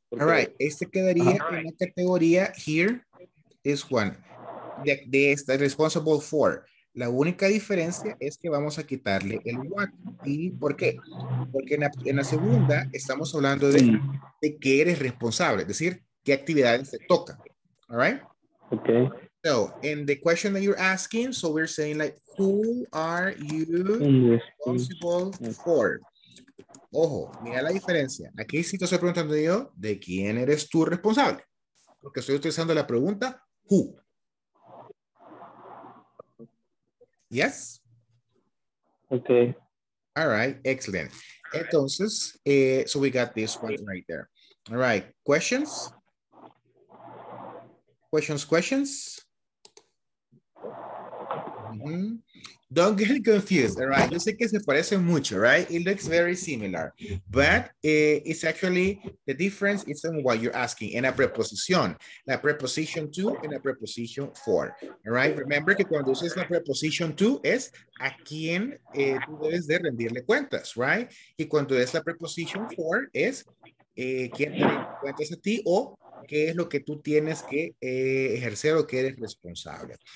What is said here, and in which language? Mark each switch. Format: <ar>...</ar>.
<es>Porque, all right, este quedaría en la categoría</es> <en>here, this one,</en> <es>de esta responsible for. La única diferencia es que vamos a quitarle el what. ¿Y por qué? Porque en la segunda estamos hablando de qué eres responsable, es decir, qué actividades te toca.</es> <en>All right? Okay. So, in the question that you're asking, so we're saying like, who are you responsible for?</en> <es>Ojo, mira la diferencia. Aquí sí te estoy preguntando yo, ¿de quién eres tú responsable? Porque estoy utilizando la pregunta, who.</es> <en>Yes? Okay. All right, excellent. Entonces, so we got this one right there. All right, questions? Questions, questions? Don't get confused, all right?</en> <es>Yo sé que se parece mucho,</es> <en>right? It looks very similar. But it's actually, the difference is in what you're asking, in a preposición. La preposición to and a preposición for, all right?</en> <es>Remember que cuando uses la preposición to es a quien tú debes de rendirle cuentas, right? Y cuando es la preposición for es quien te rinde cuentas a ti o qué es lo que tú tienes que ejercer o que eres responsable.</es>